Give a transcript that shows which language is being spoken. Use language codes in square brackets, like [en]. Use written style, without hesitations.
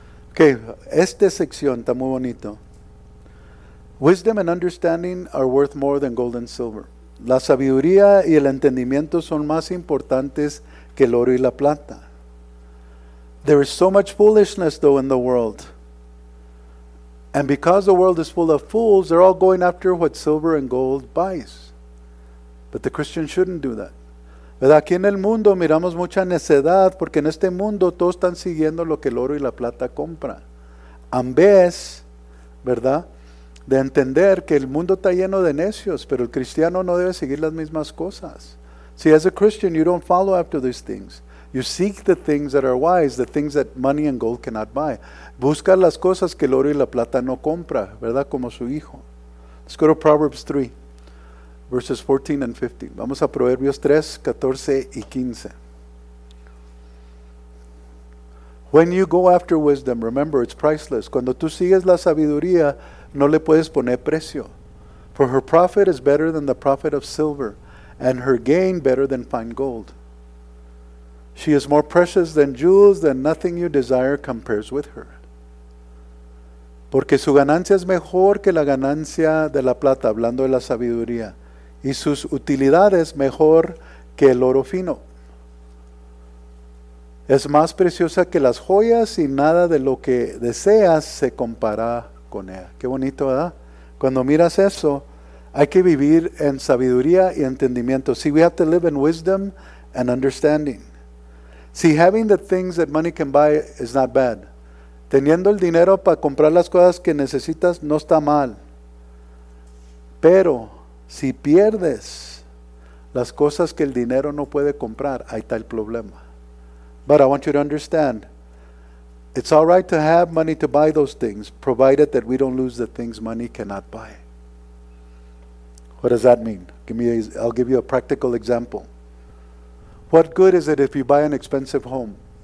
[es] Okay, esta sección está muy bonito. [en] Wisdom and understanding are worth more than gold and silver. [es] La sabiduría y el entendimiento son más importantes que el oro y la plata. [en] There is so much foolishness though in the world. And because the world is full of fools, they're all going after what silver and gold buys. But the Christian shouldn't do that. [es] ¿Verdad? Aquí en el mundo miramos mucha necedad, porque en este mundo todos están siguiendo lo que el oro y la plata compra. En vez, ¿verdad?, de entender que el mundo está lleno de necios, pero el cristiano no debe seguir las mismas cosas. [en] See, as a Christian, you don't follow after these things. You seek the things that are wise, the things that money and gold cannot buy. [es] Busca las cosas que el oro y la plata no compra, ¿verdad? Como su hijo. [en] Let's go to Proverbs 3, verses 14 and 15. [es] Vamos a Proverbios 3, 14 y 15. [en] When you go after wisdom, remember, it's priceless. [es] Cuando tú sigues la sabiduría, no le puedes poner precio. [en] For her profit is better than the profit of silver, and her gain better than fine gold. She is more precious than jewels, than nothing you desire compares with her. [es] Porque su ganancia es mejor que la ganancia de la plata, hablando de la sabiduría, y sus utilidades mejor que el oro fino. Es más preciosa que las joyas, y nada de lo que deseas se compara con ella. Qué bonito, ¿verdad? Cuando miras eso, hay que vivir en sabiduría y entendimiento. [en] See, we have to live in wisdom and understanding. See, having the things that money can buy is not bad. [es] Teniendo el dinero para comprar las cosas que necesitas no está mal. Pero si pierdes las cosas que el dinero no puede comprar, ahí está el problema. [en] But I want you to understand, it's all right to have money to buy those things, provided that we don't lose the things money cannot buy. What does that mean? I'll give you a practical example. What good is it if you buy an expensive home?